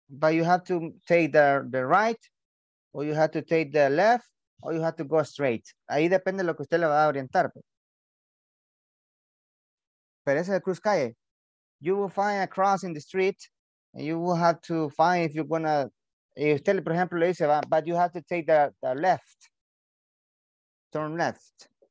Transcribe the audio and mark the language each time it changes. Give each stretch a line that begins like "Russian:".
English: But you have to take the right, or you have to take the left, or you have to go straight.
Spanish: Ahí depende de lo que usted le va a orientar. Pero ese es el cruz calle.
English: You will find a cross in the street, and you will have to find if you're gonna, if
Spanish: usted, por ejemplo, le dice,
English: but you have to take the left, turn left.